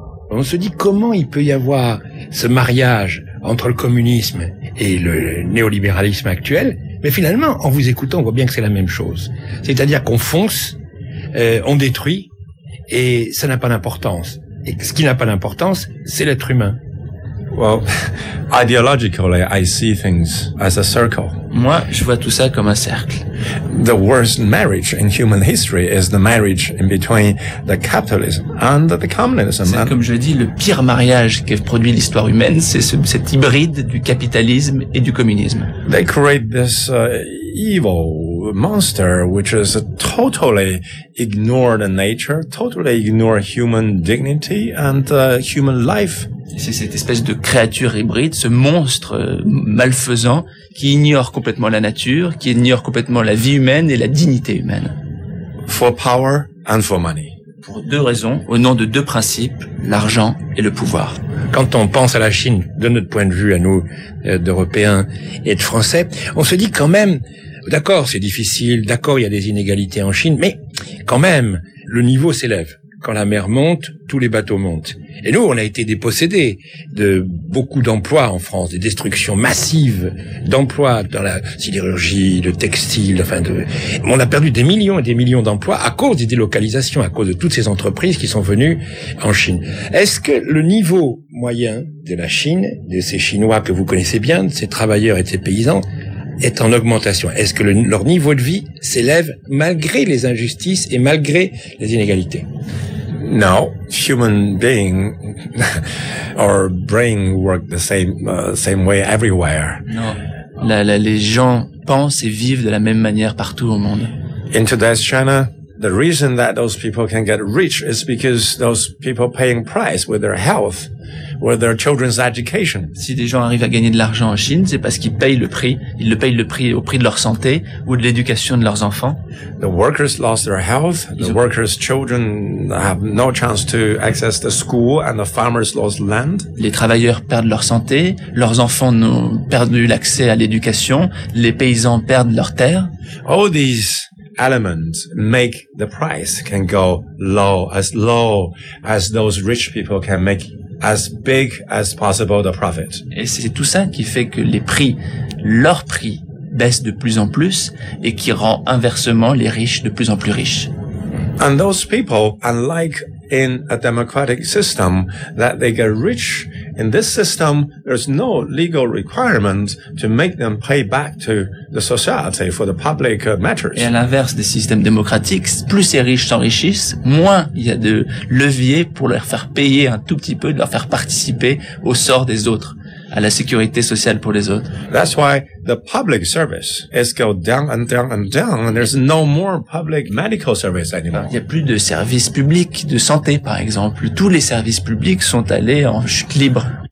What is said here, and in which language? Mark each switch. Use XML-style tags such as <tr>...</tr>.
<fr>On se dit comment il peut y avoir ce mariage entre le communisme et le néolibéralisme actuel, mais finalement, en vous écoutant, on voit bien que c'est la même chose. C'est-à-dire qu'on fonce, on détruit, et ça n'a pas d'importance. Et ce qui n'a pas d'importance, c'est l'être humain.</fr> <en>Well, ideologically, I see things as a circle.</en> <fr>Moi, je vois tout ça comme un cercle.</fr> <en>The worst marriage in human history is the marriage in between the capitalism and the communism.</en> <fr>C'est comme je l'ai dit, le pire mariage qu'ait produit l'histoire humaine, c'est cet hybride du capitalisme et du communisme.</fr> <en>They create this evil monster which is totally ignore the nature, totally ignore human dignity and human life.</en> <fr>C'est cette espèce de créature hybride, ce monstre malfaisant qui ignore complètement la nature, qui ignore complètement la vie humaine et la dignité humaine.</fr> <en>For power and for money.</en> <fr>Pour deux raisons, au nom de deux principes, l'argent et le pouvoir. Quand on pense à la Chine, de notre point de vue, à nous, d'Européens et de Français, on se dit quand même, d'accord, c'est difficile, d'accord, il y a des inégalités en Chine, mais quand même, le niveau s'élève. Quand la mer monte, tous les bateaux montent. Et nous, on a été dépossédés de beaucoup d'emplois en France, des destructions massives d'emplois dans la sidérurgie, le textile, enfin de... On a perdu des millions et des millions d'emplois à cause des délocalisations, à cause de toutes ces entreprises qui sont venues en Chine. Est-ce que le niveau moyen de la Chine, de ces Chinois que vous connaissez bien, de ces travailleurs et de ces paysans, est en augmentation? Est-ce que leur niveau de vie s'élève malgré les injustices et malgré les inégalités?</fr> <en>No, human being or brain work the same way everywhere.</en> <fr>Non, les gens pensent et vivent de la même manière partout au monde.</fr> <en>In today's China, the reason that those people can get rich is because those people paying price with their health, with their children's education.</en> <fr>Si des gens arrivent à gagner de l'argent en Chine, c'est parce qu'ils payent le prix. Ils le payent le prix au prix de leur santé ou de l'éducation de leurs enfants.</fr> <en>The workers lost their health. The workers' children have no chance to access the school, and the farmers lost land.</en> <fr>Les travailleurs perdent leur santé. Leurs enfants ont perdu l'accès à l'éducation. Les paysans perdent leurs terres.</fr> <en>All these elements make the price can go low as those rich people can make as big as possible the profit.</en> <fr>Et c'est tout ça qui fait que les prix, leurs prix, baissent de plus en plus et qui rend inversement les riches de plus en plus riches.</fr> <en>And those people, unlike in a democratic system, that they get rich In this system, there is no legal requirement to make them pay back to the society for the public matters.</en> <fr>Et à l'inverse des systèmes démocratiques, plus ces riches s'enrichissent, moins il y a de leviers pour leur faire payer un tout petit peu, de leur faire participer au sort des autres, à la sécurité sociale pour les autres.</fr> <en>That's why the public service is go down and down and down, and there's no more public medical service anymore.</en> <fr>Il n'y a plus de services publics de santé, par exemple. Tous les services publics sont allés en chute libre.</fr>